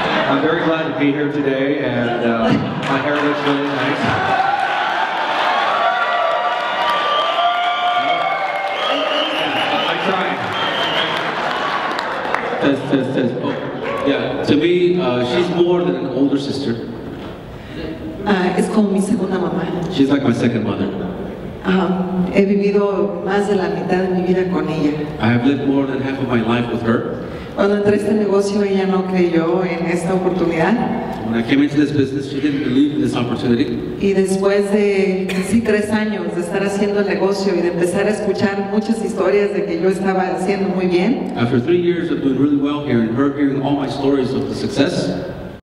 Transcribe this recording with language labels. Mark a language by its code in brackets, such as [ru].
[en] I'm very glad to be here today, and my hair looks really nice. Test. Oh, yeah. To me, she's more than an older sister. [es] Es como mi segunda mamá. [en] She's like my second mother. [es] He vivido más de la mitad de mi vida con ella. [en] I have lived more than half of my life with her. [es] Cuando entré a este negocio, ella no creyó en esta oportunidad. [en] When I came into this business, she didn't believe in this opportunity. [es] Y después de casi tres años de estar haciendo el negocio y de empezar a escuchar muchas historias de que yo estaba haciendo muy bien. [en] After 3 years of doing really well here and her hearing all my stories of the success.